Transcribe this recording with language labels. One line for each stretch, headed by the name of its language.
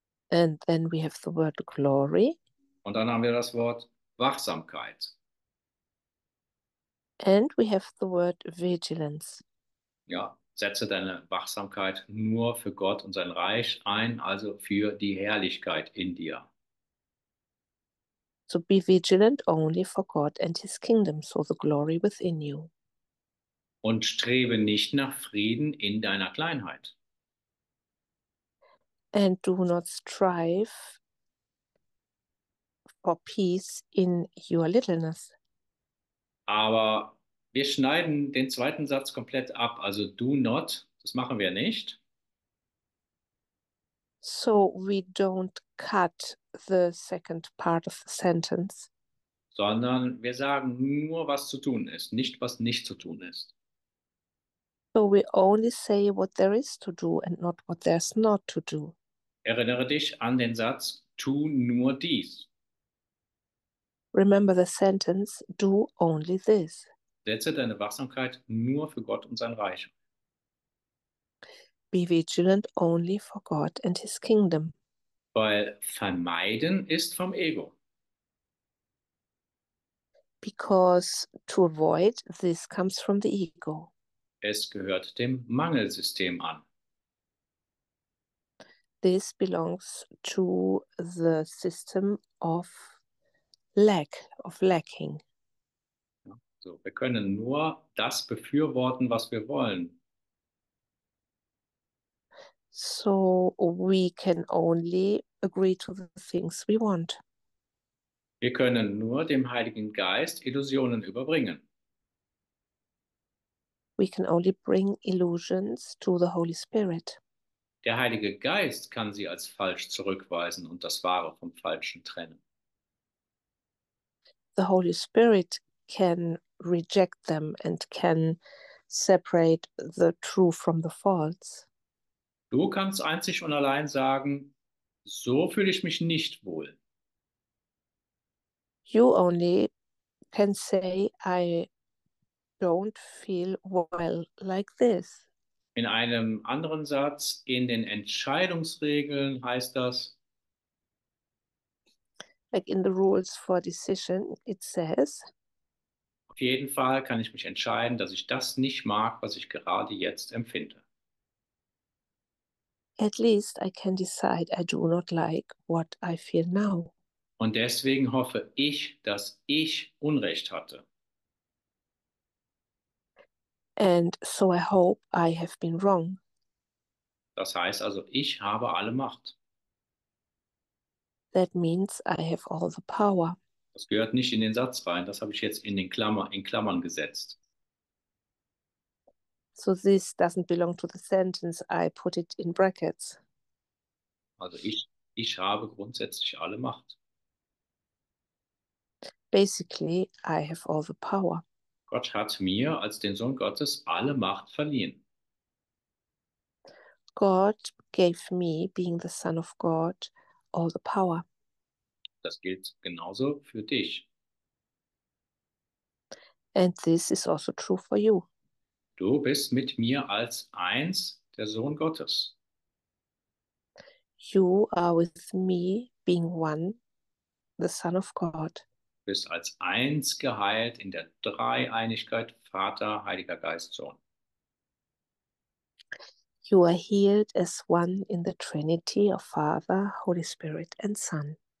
English: And then we have the word glory.
German: Und dann haben wir das Wort Wachsamkeit.
English: And we have the word vigilance.
German: Ja, setze deine Wachsamkeit nur für Gott und sein Reich ein, also für die Herrlichkeit in dir.
English: So be vigilant only for God and his kingdom, so the glory within you.
German: Und strebe nicht nach Frieden in deiner Kleinheit.
English: And do not strive for peace in your littleness.
German: Aber wir schneiden den zweiten Satz komplett ab.
English: Also do not,
German: das machen wir nicht.
English: So we don't cut the second part of the sentence.
German: Sondern wir sagen nur, was zu tun ist, nicht, was nicht zu tun ist.
English: So we only say what there is to do and not what there's not to do.
German: Erinnere dich an den Satz, tu nur dies.
English: Remember the sentence, do only this.
German: Setze deine Wachsamkeit nur für Gott und sein Reich.
English: Be vigilant only for God and his kingdom.
German: Weil vermeiden ist vom Ego.
English: Because to avoid, this comes from the ego.
German: Es gehört dem Mangelsystem an.
English: This belongs to the system of lack, of lacking.
German: So, wir können nur das befürworten, was wir wollen.
English: So we can only agree to the things we want.
German: Wir können nur dem Heiligen Geist Illusionen überbringen.
English: We can only bring illusions to the Holy Spirit.
German: Der Heilige Geist kann sie als falsch zurückweisen und das Wahre vom Falschen trennen.
English: The Holy Spirit can reject them and can separate the true from the false.
German: Du kannst einzig und allein sagen, so fühle ich mich nicht wohl.
English: You only can say, I don't feel well like this.
German: In einem anderen Satz, in den Entscheidungsregeln heißt das,
English: like in the rules for decision, it says,
German: auf jeden Fall kann ich mich entscheiden, dass ich das nicht mag, was ich gerade jetzt empfinde.
English: At least I can decide I do not like what I feel now.
German: Und deswegen hoffe ich, dass ich Unrecht hatte.
English: And so I hope I have been wrong.
German: Das heißt also, ich habe alle Macht.
English: That means I have all the power.
German: Das gehört nicht in den Satz rein. Das habe ich jetzt in Klammern gesetzt.
English: So this doesn't belong to the sentence. I put it in brackets.
German: Also ich habe grundsätzlich alle Macht.
English: Basically, I have all the power.
German: Gott hat mir als den Sohn Gottes alle Macht verliehen.
English: God gave me, being the son of God, all the power.
German: Das gilt genauso für dich.
English: And this is also true for you.
German: Du bist mit mir als eins der Sohn Gottes.
English: You are with me, being one, the son of God.
German: Du bist als eins geheilt in der Dreieinigkeit Vater, Heiliger Geist, Sohn.
English: You are healed as one in the Trinity of Father, Holy Spirit and Son.